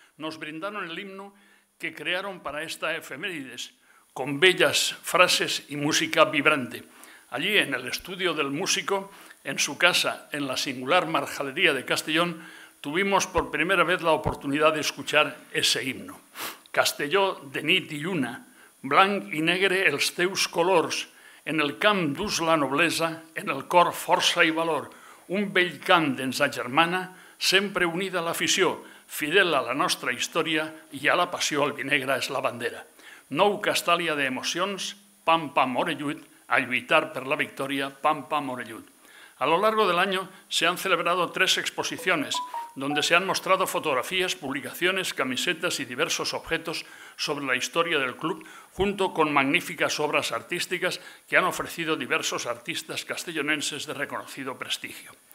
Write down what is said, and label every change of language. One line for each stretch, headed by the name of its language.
Spanish: nos brindaron el himno que crearon para esta efemérides, con bellas frases y música vibrante. Allí, en el estudio del músico, en su casa, en la singular marjalería de Castellón, tuvimos por primera vez la oportunidad de escuchar ese himno.
Catalan: Castelló de nit i lluna, blanc i negre els teus colors, en el camp d'ús la noblesa, en el cor força i valor, un bell cant d'ens agermana, sempre unida a l'afició, fidel a la nostra història i a la passió albinegra és la bandera. Nou Castàlia d'emocions, pam pam orellut, a lluitar per la victòria, pam pam orellut.
Spanish: A lo largo del año se han celebrado 3 exposiciones donde se han mostrado fotografías, publicaciones, camisetas y diversos objetos sobre la historia del club, junto con magníficas obras artísticas que han ofrecido diversos artistas castellonenses de reconocido prestigio.